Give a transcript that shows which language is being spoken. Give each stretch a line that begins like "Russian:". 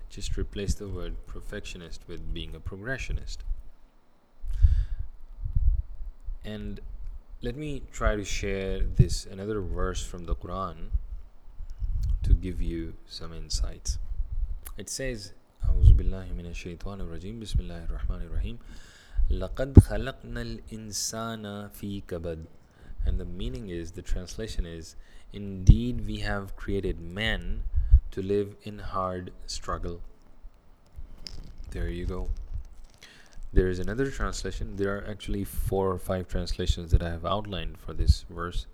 English: Just replace the word perfectionist with being a progressionist. And let me try to share this another verse from the Quran to give you some insights. It says,
Arabic: أعوذ بالله من الشيطان الرجيم بسم الله الرحمن الرحيم لقد خلقنا الإنسان في كبد.
English: And the meaning is, the translation is, indeed we have created man to live in hard struggle. There you go. There is another translation. There are actually four or five translations that I have outlined for this verse.